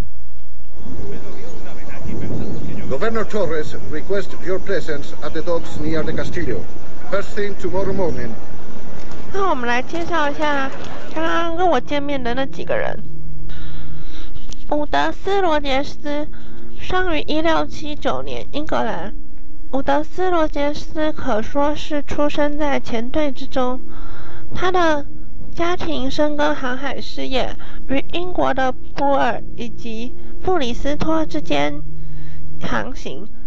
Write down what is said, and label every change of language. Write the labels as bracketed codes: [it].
[zh] 后来我就是见了总督，然后做了一些刺客的基本训练，然后是这里。中间那些因为影片档坏掉了，所以给大家看。Governor [en] Torres request your presence at the docks near the Castillo. First thing tomorrow morning. [zh] 那我们来介绍一下刚刚跟我见面的那几个人。伍德斯·罗杰斯生于1679年英格兰。伍德斯·罗杰斯可说是出生在前队之中，他的家庭深耕航海事业，与英国的布尔以及布里斯托之间航行。